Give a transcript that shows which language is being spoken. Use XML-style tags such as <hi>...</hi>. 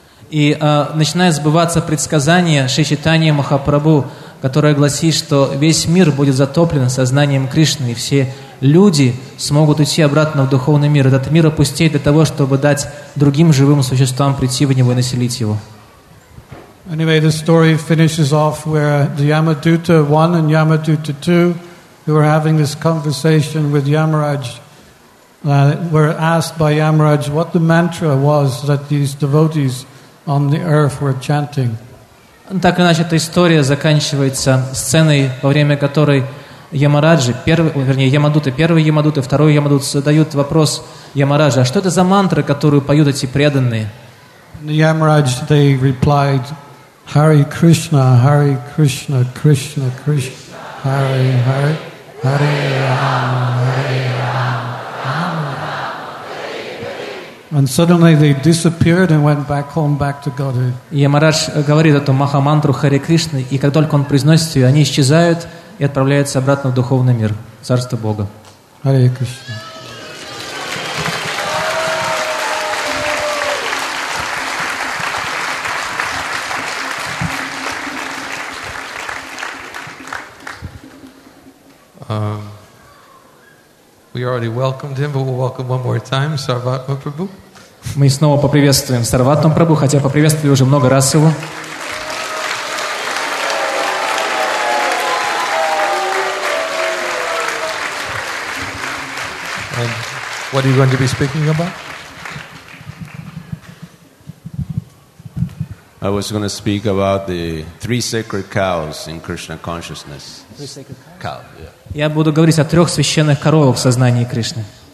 <ru>И начинает сбываться предсказание Шри Чайтаньи Махапрабху, которое гласит, что весь мир будет затоплен сознанием Кришны, и все люди смогут уйти обратно в духовный мир. Этот мир опустеть для того, чтобы дать другим живым существам прийти в него и населить его.</ru> <en>Anyway, the story finishes off where the Yamaduta 1 and Yamaduta 2, who were having this conversation with Yamaraj, were asked by Yamaraj what the mantra was that these devotees on the earth were chanting.</en> <ru>Так иначе эта история заканчивается сценой, во время которой Ямараджи, первый Ямадута, второй Ямадут задают вопрос Ямараджи, а что это за мантра, которую поют эти преданные?</ru> <en>And the Yamaraj, they replied, Hare Krishna, Hare Krishna, Krishna Krishna, Hare Hare, Hare Ram, Hare Ram, Ram Ram. And suddenly they disappeared and went back home, back to Godhead.</en> <ru>Ямарадж говорит эту Махамантру Харе Кришна, и как только он произносит ее, они исчезают и отправляются обратно в духовный мир, в царство Бога.</ru> <en>Hare Krishna. We already welcomed him, but we'll welcome one more time, Sarvatma Prabhu.</en> <ru>Мы снова поприветствуем Сарватма Прабху, хотя поприветствовали уже много раз его.</ru> <en>And what are you going to be speaking about? I was going to speak about the three sacred cows in Krishna consciousness. Three sacred cows? Cow, yeah.</en> <ru>Я буду говорить о трех священных коровах в сознании Кришны.</ru>